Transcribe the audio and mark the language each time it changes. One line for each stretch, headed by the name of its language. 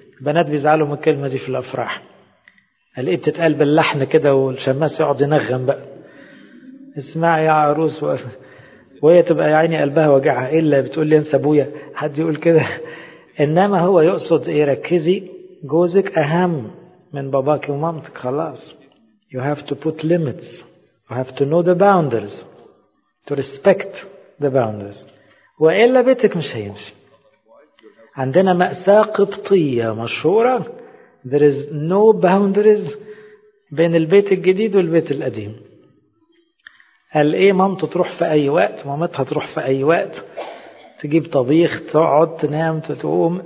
Arabic: البنات بيزعلوا من الكلمة دي في الأفراح، قال إيه بتتقال باللحن كده والشماس يقعد ينغم بقى، اسمعي يا عروس، وهي تبقى يعني قلبها وجعها إلا بتقول لي انسى أبويا، حد يقول كده؟ إنما هو يقصد إيه، ركزي، جوزك أهم من باباك ومامتك خلاص.
English: You have to put limits. You have to know the boundaries. To respect the boundaries.
Arabic: وإلا بيتك مش هيمشي. عندنا مأساة قبطية مشهورة،
English: there is no boundaries
Arabic: بين البيت الجديد والبيت القديم. قال إيه، مامته تروح في أي وقت، مامتها تروح في أي وقت، تجيب طبيخ، تقعد، تنام، تقوم.